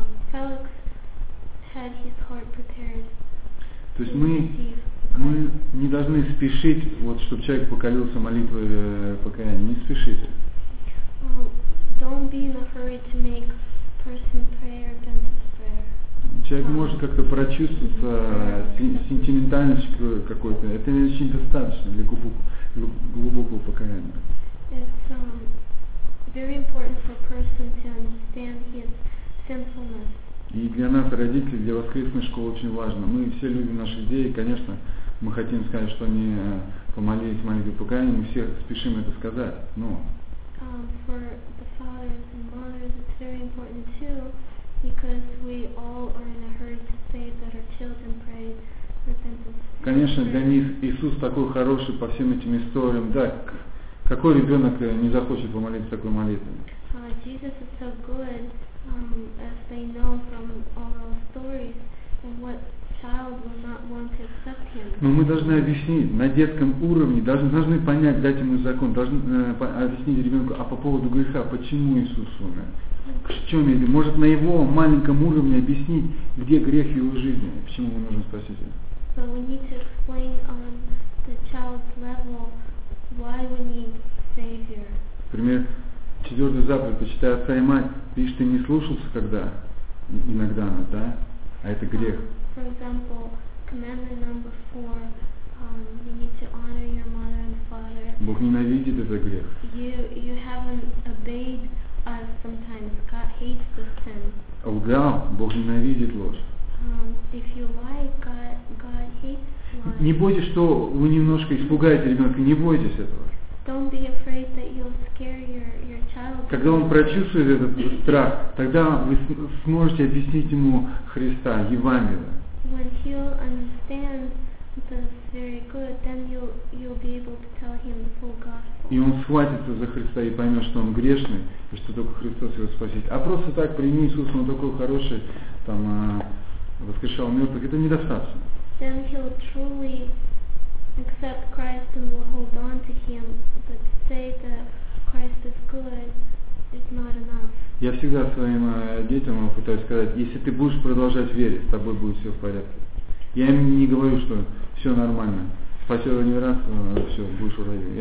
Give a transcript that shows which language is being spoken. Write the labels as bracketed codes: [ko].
[en] Felix had his heart prepared. [ru] То есть мы мы не должны спешить, вот, чтобы человек покорился молитвой покаяния. Не спешите. [en] Don't be in a hurry to make person pray or repent of prayer. [ru] Человек может как-то прочувствоваться сентиментальностью какой-то. Это не очень достаточно для глубокого покаяния. [en] It's very important for a person to understand his sinfulness. [ru] И для нас, родителей, для воскресной школы очень важно. Мы все любим наших детей, конечно, мы хотим сказать, что они помолились молитвой покаяния, мы все спешим это сказать, но... [en] For the fathers and mothers it's very important too, because we all are in a hurry to say that our children pray repentance. [ru] Конечно, для них Иисус такой хороший по всем этим историям, да, какой ребенок не захочет помолиться такой молитвой? [en] Jesus is so good. As they know from all those stories, what child will not want to accept him? [ru] Но мы должны объяснить на детском уровне, должны понять, дать ему закон, должны объяснить ребенку, а по поводу греха, почему Иисус умер, в чем или может на его маленьком уровне объяснить, где грех его жизни, почему ему нужен Спаситель. [en] So we need to explain on the child's level why we need Savior. [ru] Например. Четвертый заповедь, почитай отца и мать, видишь, ты не слушался когда, иногда она, да? А это грех. [en] For example, commandment number four, you need to honor your mother and father. [ru] Бог ненавидит этот грех. [en] You haven't obeyed us sometimes. God hates this sin. [ru] Лгал, Бог ненавидит ложь. [en] If you lie, God hates lies. [ru] Не бойтесь, что вы немножко испугаете ребенка, не бойтесь этого. [en] Don't be afraid that you'll scare your child. [ru] Когда он прочувствует этот страх, тогда вы сможете объяснить ему Христа, Евангелие. [en] When he'll understand this very good, then you'll be able to tell him the full gospel. [ru] И он схватится за Христа и поймет, что он грешный, и что только Христос его спасет. А просто так, прими Иисуса, он такой хороший, там, воскрешал мертвых, это недостаточно. [en] Then he'll truly accept Christ and will hold on to him, but to say that Christ is good is not enough. [ru] Я всегда своим детям пытаюсь сказать, если ты будешь продолжать верить, с тобой будет все в порядке. Я им не говорю, что все нормально. Спасибо не раз, все, будешь уже.